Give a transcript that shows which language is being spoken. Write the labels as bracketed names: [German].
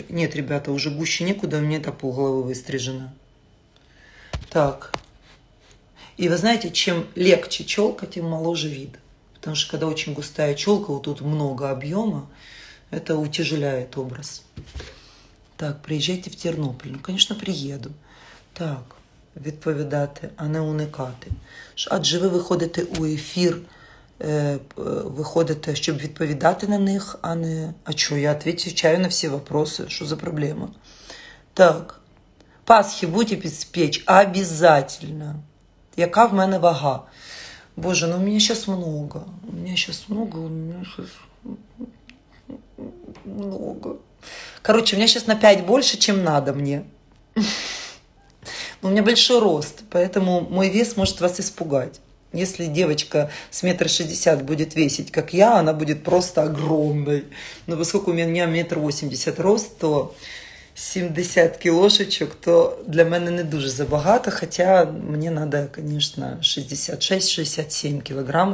[Russian] Нет, ребята, уже гуще некуда, у меня это полголовы выстрижено. Так. И вы знаете, чем легче челка, тем моложе вид. Потому что когда очень густая челка, вот тут много объема, это утяжеляет образ. Так, приезжайте в Тернополь. Ну, конечно, приеду. [Ukrainian] Так, відповідати, а не уникати. Адже ви виходите у ефір, виходите, щоб відповідати на них, а не... А чо, я відповідаю на всі вопроси, що за проблема? [Russian] Так, Пасхи будете печь? Обязательно. [Ukrainian] яка в мене вага. Боже, ну в мене зараз много. У мене зараз много, у мене зараз много. Короче, у мене зараз на 5 більше, ніж треба мені. У мене більший рост, тому мій вес може вас спугати. [Russian] Если девочка с 1,60 будет весить, как я, она будет просто огромной. Но поскольку у меня 1,80 рост, то 70 килошечек, то для меня [Ukrainian] не дуже забагато, [Russian] хотя мне надо, конечно, 66-67 килограмм.